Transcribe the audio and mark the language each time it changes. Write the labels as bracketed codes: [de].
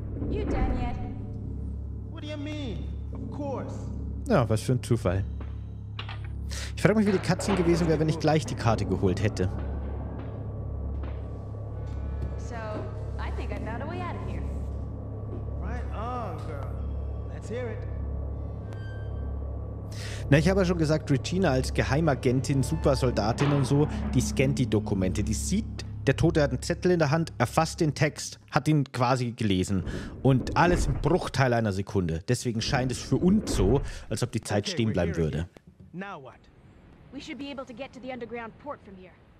[en] You done yet? What do you mean? Of course. [de] Ja, was für ein Zufall. Ich frage mich, wie die Cutscene gewesen wäre, wenn ich gleich die Karte geholt hätte. [en] So, I think I found a way out of here. Right on, girl. Let's hear it. [de] Na, ich habe ja schon gesagt, Regina als Geheimagentin, Supersoldatin und so, die scannt die Dokumente. Die sieht, der Tote hat einen Zettel in der Hand, erfasst den Text, hat ihn quasi gelesen. Und alles im Bruchteil einer Sekunde. Deswegen scheint es für uns so, als ob die Zeit stehen bleiben würde. [en] Now what? We should be able to get to the underground port from here.